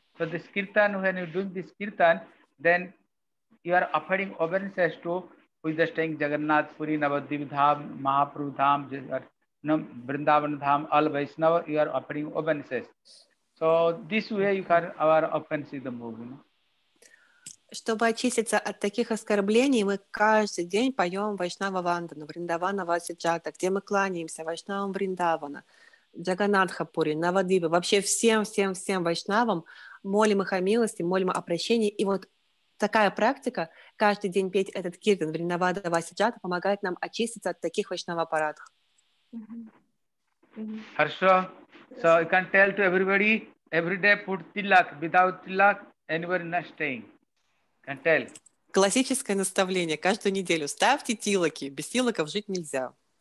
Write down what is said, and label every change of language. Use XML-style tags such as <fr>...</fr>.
<en>So this kirtan, when you do this kirtan, then you are offering obeisances to who is the staying Jagannath Puri, Navadvip Dham, Mahaprabhu Dham, Vrindavan Dham, all Vaishnava, you are offering obeisances. So this way you can our offense is the movement.</en> <ru>Чтобы очиститься от таких оскорблений, мы каждый день поем Вайшнава Вандану, Вриндавана Васиджата, где мы кланяемся, Вайшнавам Вриндавана, Джаганатха Пури, Навадвипа, вообще всем Вайшнавам, молим их о милости, молим о прощении. И вот такая практика, каждый день петь этот киртан Вриндавана Васиджата, помогает нам очиститься от таких Вайшнава Апарадх. Хорошо.</ru> <en>So you can tell to everybody, every day put tilak, without tilak, anywhere not staying. Can tell.</en> <ru>Классическое наставление. Каждую неделю ставьте тилаки, без тилаков жить нельзя.</ru>